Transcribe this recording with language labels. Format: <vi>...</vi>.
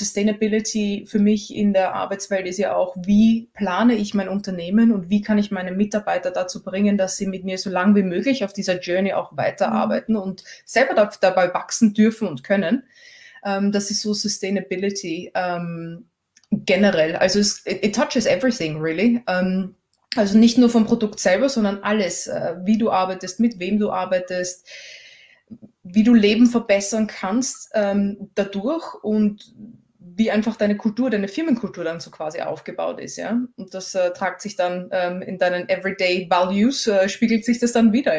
<de>Sustainability für mich in der Arbeitswelt ist ja auch, wie plane ich mein Unternehmen und wie kann ich meine Mitarbeiter dazu bringen, dass sie mit mir so lange wie möglich auf dieser Journey auch weiterarbeiten und selber dabei wachsen dürfen und können. Das ist so Sustainability generell.</de> <en>Also it touches everything, really.</en> <de>Also nicht nur vom Produkt selber, sondern alles, wie du arbeitest, mit wem du arbeitest, wie du Leben verbessern kannst dadurch und wie einfach deine Kultur, deine Firmenkultur dann so quasi aufgebaut ist. Ja? Und das tragt sich dann in deinen Everyday Values, spiegelt sich das dann wieder.</de>